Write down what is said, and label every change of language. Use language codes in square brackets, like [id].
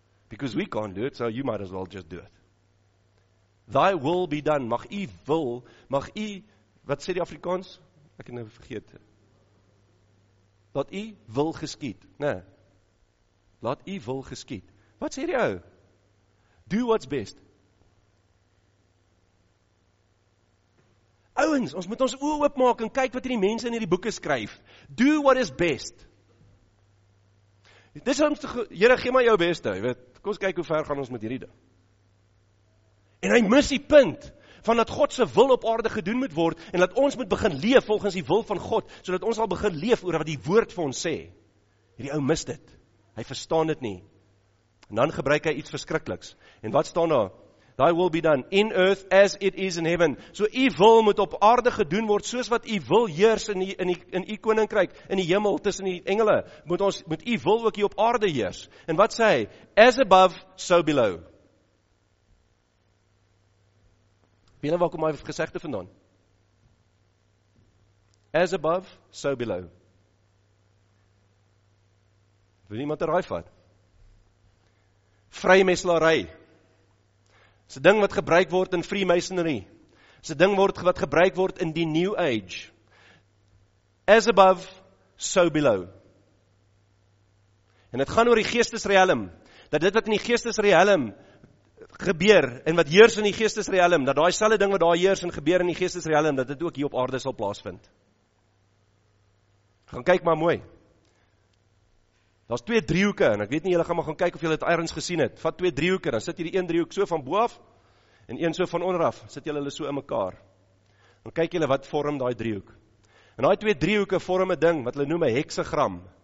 [en] Because we can't do it, so you might as well just do it. Thy will be done. [af] Mag u wil, mag u, wat sê die Afrikaans? Ek het nou vergeet. Laat u wil geskied. Nee. Laat u wil geskied. Wat sê die ou? [en] Do what's best. [af] Ouens, ons moet ons oë oopmaak en kyk wat hierdie mense in hierdie boeke skryf. [en] Do what is best. [af] Dis ons Here gee maar jou beste, jy weet. Kom ons kyk hoe ver gaan ons met hierdie ding. En hy mis die punt van dat God se wil op aarde gedoen moet word en dat ons moet begin leef volgens die wil van God, sodat ons al begin leef oor wat die woord vir ons sê. Hierdie ou mis dit. Hy verstaan dit nie. En dan gebruik hy iets verskrikliks. En wat staan daar? [en] Thy will be done in earth as it is in heaven. [af] So u wil moet op aarde gedoen word soos wat u wil heers in die koninkryk in die hemel tussen die engele. Moet u wil ook hier op aarde heers. En wat sê hy? [en] As above, so below. [af] Weet jy waar kom hy gesegde vandaan? [en] As above, so below. [af] Wil iemand 'n raai vat? Vrymeslaery. Dis 'n ding wat gebruik word in Freemasonry. Dis 'n ding wat gebruik word in die New Age. [en] As above, so below. [af] En dit gaan oor die geestesriem, dat dit wat in die geestesriem gebeur en wat heers in die geestesriem, dat daai selfde ding wat daar heers en gebeur in die geestesriem, dat dit ook hier op aarde sal plaasvind. Gaan kyk maar mooi. Daar's twee driehoeke en ek weet nie julle gaan maar gaan kyk of julle dit eers gesien het. Vat twee driehoeke, dan sit hierdie een driehoek so van bo af en een so van onder af. Sit julle hulle so in mekaar. Dan kyk julle wat vorm daai driehoek. En daai twee driehoeke vorm 'n ding wat hulle noem 'n heksagram.